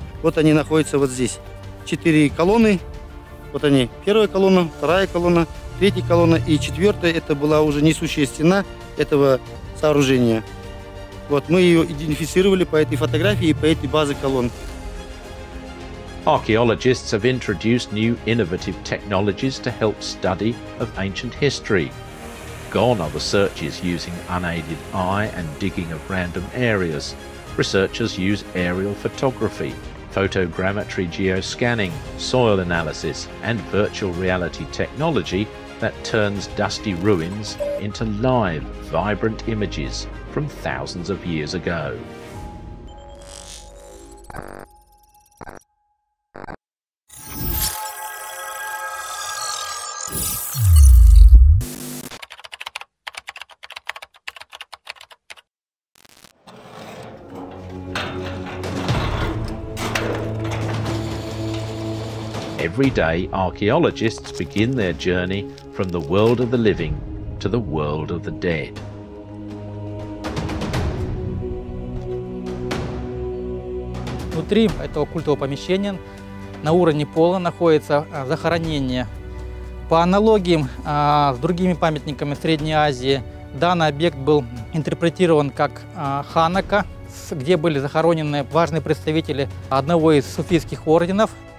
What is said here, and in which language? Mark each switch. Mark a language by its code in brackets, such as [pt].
[ru] Вот они находятся вот здесь. Четыре колонны. Вот они. Первая колонна, вторая колонна, третья колонна и четвертая. Это была уже несущая стена этого сооружения. Вот мы ее идентифицировали по этой фотографии и по этой базе колонн. [en] Archaeologists have introduced new innovative technologies to help study of ancient history. Gone are the searches using unaided eye and digging of random areas. Researchers use aerial photography, photogrammetry geoscanning, soil analysis, and virtual reality technology that turns dusty ruins into live, vibrant images from thousands of years ago. Every day, archaeologists begin their journey from the world of the living to the world of the dead. [ru] Внутри этого культового помещения на уровне пола находится захоронение. По аналогии с другими памятниками Средней Азии, данный объект был интерпретирован как ханака, где были захоронены важные представители одного из суфийских орденов.